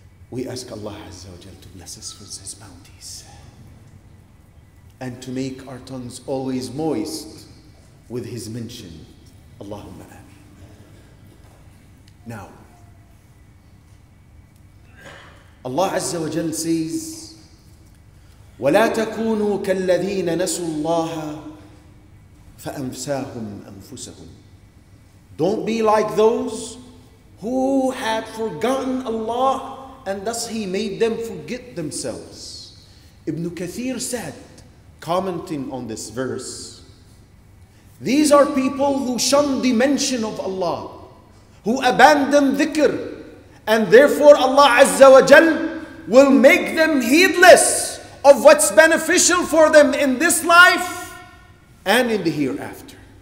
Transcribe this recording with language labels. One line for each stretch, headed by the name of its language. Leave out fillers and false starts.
English: We ask Allah Azza wa Jalla to bless us with His bounties and to make our tongues always moist with His mention. Allahumma ameen. Now, Allah Azza wa Jalla says,
Arabic: وَلَا تَكُونُوا كَالَّذِينَ نَسُوا اللَّهَ فَأَنْسَاهُمْ أَنْفُسَهُمْ.
English: Don't be like those who had forgotten Allah and thus He made them forget themselves. Ibn Kathir said, commenting on this verse, these are people who shun the mention of Allah, who abandon dhikr, and therefore Allah Azza wa Jal will make them heedless of what's beneficial for them in this life and in the hereafter.